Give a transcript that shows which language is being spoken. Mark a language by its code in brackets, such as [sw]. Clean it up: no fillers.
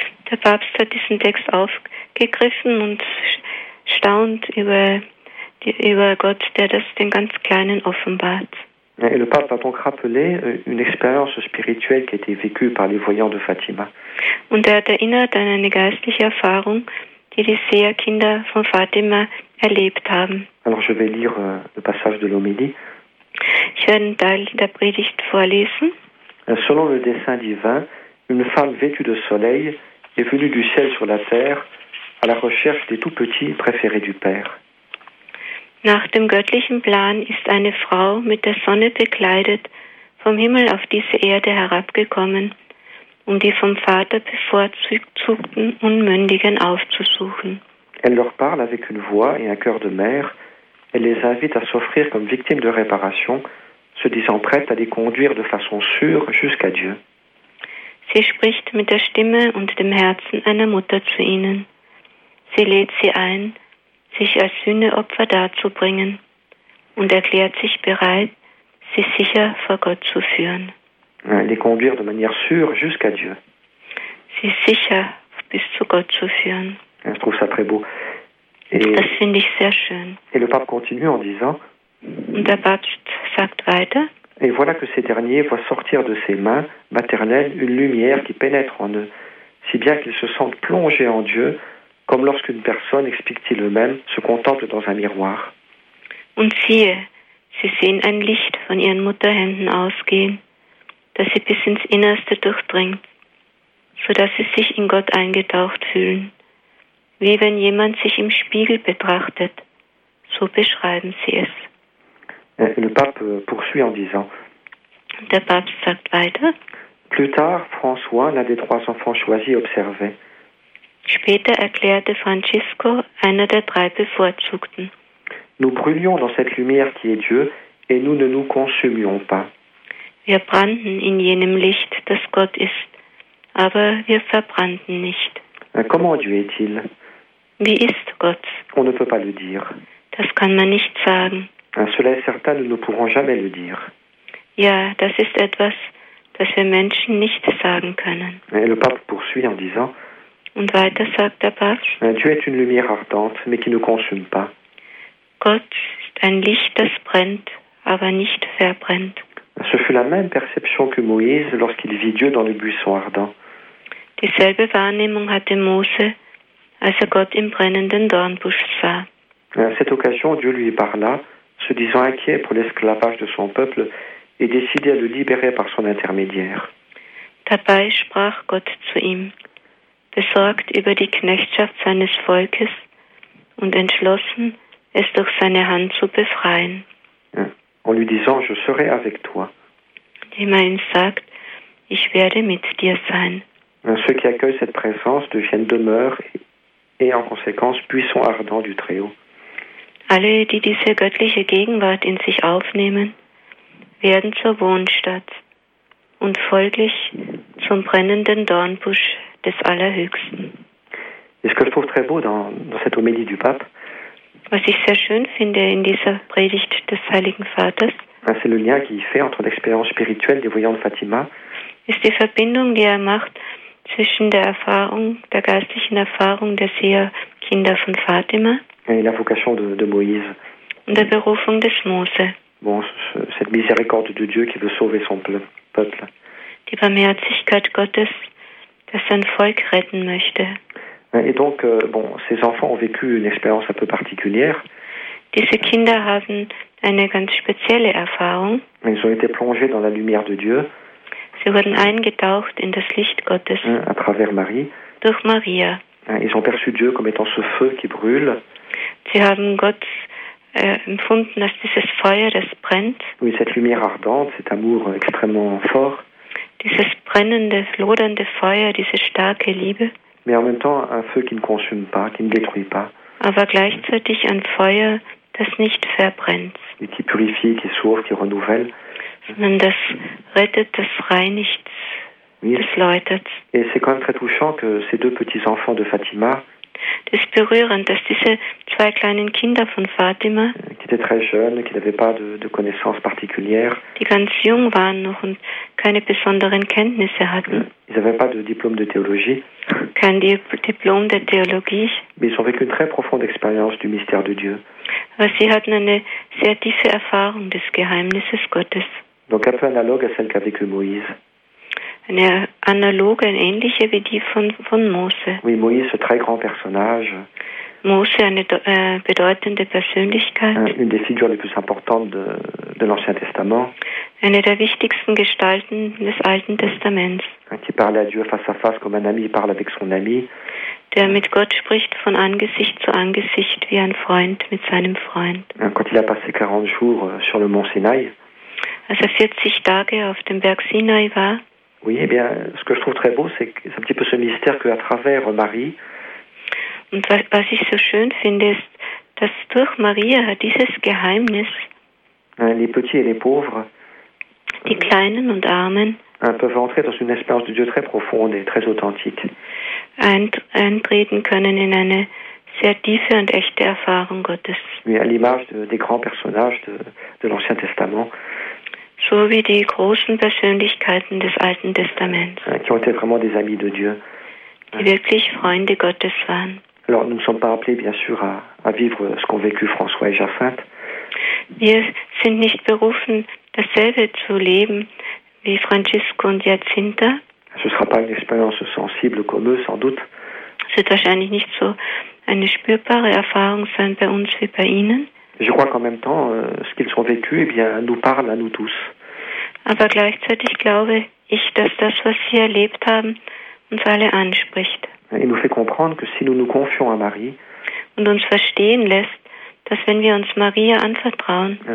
[de] Der Papst hat diesen Text aufgegriffen und staunt über Gott, der das den ganz Kleinen offenbart. [fr] Et le pape a donc rappelé une expérience spirituelle qui a été vécue par les voyants de Fatima. [de] Und hat erinnert an eine geistliche Erfahrung, die Seherkinder von Fatima erlebt haben. [fr] Alors je vais lire le passage de l'homélie. [de] Ich werde einen Teil der Predigt vorlesen. [fr] Selon le dessein divin, une femme vêtue de soleil est venue du ciel sur la terre à la recherche des tout petits préférés du Père. [de] Nach dem göttlichen Plan ist eine Frau mit der Sonne bekleidet vom Himmel auf diese Erde herabgekommen, um die vom Vater bevorzugten Unmündigen aufzusuchen. [fr] Elle leur parle avec une voix et un cœur de mère. Elle les invite à s'offrir comme victimes de réparation, se disant prête à les conduire de façon sûre jusqu'à Dieu. [de] Sie spricht mit der Stimme und dem Herzen einer Mutter zu ihnen. Sie lädt sie ein, sich als Sühneopfer darzubringen und erklärt sich bereit, sie sicher vor Gott zu führen. [fr] Les conduire de manière sûre jusqu'à Dieu. [de] Sie sicher bis zu Gott zu führen. [fr] Je trouve ça très beau. [de] Das finde ich sehr schön. [fr] Et le pape continue en disant, [de] und der Papst sagt weiter, [fr] et voilà que ces derniers voient sortir de ses mains maternelles une lumière qui pénètre en eux, si bien qu'ils se sentent plongés en Dieu, comme lorsqu'une personne, explique-t-il eux-mêmes, se contemple dans un miroir. [de] Und siehe, sie sehen ein Licht von ihren Mutterhänden ausgehen, das sie bis ins Innerste durchdringt, sodass sie sich in Gott eingetaucht fühlen. Wie wenn jemand sich im Spiegel betrachtet, so beschreiben sie es. [fr] Le pape poursuit en disant, [de] der Papst sagt weiter, [fr] plus tard, François, l'un des trois enfants choisis, observait. [de] Später erklärte Francisco, einer der drei Bevorzugten. [fr] Nous brûlions dans cette lumière qui est Dieu et nous ne nous consumions pas. [de] Wir brannten in jenem Licht, das Gott ist, aber wir verbrannten nicht. [fr] Comment Dieu est-il? [de] Wie ist Gott? [fr] On ne peut pas le dire. [de] Das kann man nicht sagen. [fr] Cela est certain, nous ne pourrons jamais le dire. [de] Ja, das ist etwas, das wir Menschen nicht sagen können. [fr] Et le pape poursuit en disant, [de] und weiter sagt der Papst, [fr] Dieu est une lumière ardente, mais qui ne consume pas. [de] Gott ist ein Licht, das brennt, aber nicht verbrennt. [fr] Ce fut la même perception que Moïse lorsqu'il vit Dieu dans le buisson ardent. [de] Dieselbe Wahrnehmung hatte Mose, als Gott im brennenden Dornbusch sah. [fr] À cette occasion, Dieu lui parla, se disant inquiet pour l'esclavage de son peuple et décidé à le libérer par son intermédiaire. [de] Dabei sprach Gott zu ihm, besorgt über die Knechtschaft seines Volkes und entschlossen, es durch seine Hand zu befreien. [fr] En lui disant, je serai avec toi. [de] Indem er ihm sagt, ich werde mit dir sein. [fr] Ceux qui accueillent cette présence deviennent demeure et en conséquence puissants ardents du Très-Haut. [de] Alle, die diese göttliche Gegenwart in sich aufnehmen, werden zur Wohnstadt und folglich zum brennenden Dornbusch des Allerhöchsten. [fr] Et ce que je trouve très beau dans cette homélie du Pape, [de] was ich sehr schön finde in dieser Predigt des Heiligen Vaters, [fr] c'est le lien qu'il fait entre l'expérience spirituelle des voyants de Fatima, [de] ist die Verbindung, die macht, zwischen der Erfahrung, der geistlichen Erfahrung der Seherkinder von Fatima [fr] et la vocation de Moïse. [de] Und der Berufung des Mose. [fr] Bon, cette miséricorde de Dieu qui veut sauver son peuple. [de] Die Barmherzigkeit Gottes, das sein Volk retten möchte. [fr] Et donc, bon, ces enfants ont vécu une expérience un peu particulière. [de] Diese Kinder haben eine ganz spezielle Erfahrung. [fr] Ils ont été plongés dans la lumière de Dieu. [de] Sie wurden eingetaucht in das Licht Gottes [fr] à travers Marie. [de] Durch Maria. [fr] Ils ont perçu Dieu comme étant ce feu qui brûle. [de] Sie haben Gott empfunden, dass dieses Feuer, es brennt. [fr] Oui, cette lumière ardente, cet amour extrêmement fort. [de] Dieses brennende, lodernde Feuer, diese starke Liebe. [fr] Mais en même temps, un feu qui ne consume pas, qui ne détruit pas. [de] Aber gleichzeitig ein Feuer, das nicht verbrennt. [fr] Et qui purifie, qui sauve, qui renouvelle. [de] Sondern das rettet, das reinigt, [fr] oui. [de] Das läutert. [fr] Et c'est quand même très touchant que ces deux petits enfants de Fatima. [de] Das ist berührend, dass diese zwei kleinen Kinder von Fatima, [fr] qui étaient très jeunes, qui n'avaient pas de connaissances particulières, [de] die ganz jung waren noch und keine besonderen Kenntnisse hatten, [fr] ils n'avaient pas de diplôme de théologie, [de] kein Diplom der Theologie, [fr] mais ils ont vécu une très profonde expérience du mystère de Dieu. [de] Aber sie hatten eine sehr tiefe Erfahrung des Geheimnisses Gottes. [fr] Donc un peu analogue à celle qu'a vécu Moïse. [de] Eine analoge, eine ähnliche wie die von Mose. [fr] Oui, Moïse, ce très grand personnage. [de] Mose, eine bedeutende Persönlichkeit. [fr] Une des figures les plus importantes de l'Ancien Testament. [de] Eine der wichtigsten Gestalten des Alten Testaments. [fr] Qui parlait à Dieu face à face comme un ami parle avec son ami. [de] Der mit Gott spricht von Angesicht zu Angesicht wie ein Freund mit seinem Freund. [fr] Quand il a passé 40 jours sur le Mont Sinaï. [de] Als er 40 Tage auf dem Berg Sinai war. [fr] Oui, eh bien, ce que je trouve très beau, c'est un petit peu ce mystère qu'à travers Marie. [de] Und was ich so schön finde, ist, dass durch Maria dieses Geheimnis, [fr] les petits et les pauvres, [de] die kleinen und armen, [fr] peuvent entrer dans une expérience de Dieu très profonde et très authentique. [de] Eintreten können in eine sehr tiefe und echte Erfahrung Gottes. [fr] Oui, à l'image des grands personnages de l'Ancien Testament. [de] So wie die großen Persönlichkeiten des Alten Testaments. [fr] Qui ont été vraiment des amis de Dieu. [de] Die wirklich Freunde Gottes waren. [fr] Alors, nous ne sommes pas appelés, bien sûr, à vivre ce qu'ont vécu François et Jacinthe. [de] Wir sind nicht berufen, dasselbe zu leben wie Francisco und Jacinta. [fr] Ce ne sera pas une expérience sensible comme eux, sans doute. C'est [de] wahrscheinlich nicht so eine spürbare Erfahrung sein bei uns wie bei ihnen. [fr] Je crois qu'en même temps, ce qu'ils ont vécu, eh bien, nous parle à nous tous. [de] Aber gleichzeitig glaube ich, dass das, was sie erlebt haben, uns alle anspricht. [fr] Il nous fait comprendre que si nous nous confions à Marie, [de] und uns verstehen lässt, dass wenn wir uns Maria anvertrauen,